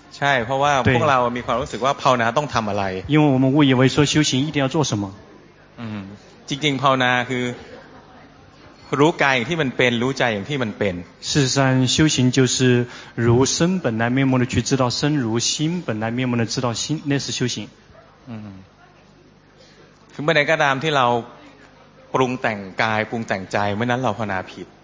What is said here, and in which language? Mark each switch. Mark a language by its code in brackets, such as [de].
[th] ใช่เพราะว่าพวกเรามีความรู้สึกว่าภาวนาต้องทำอะไร [zh] 因为我们误以为说修行一定要做什么 [th] จริงๆภาวนาคือ รู้กายอย่างที่มันเป็นรู้ใจอย่างที่มันเป็น [zh] 事实上修行就是如身本来面目的去知道身如心本来面目的知道心那是修行 [th] คือเมื่อใดก็ตามที่เราปรุงแต่งกายปรุงแต่งใจเมื่อนั้นเราภาวนาผิด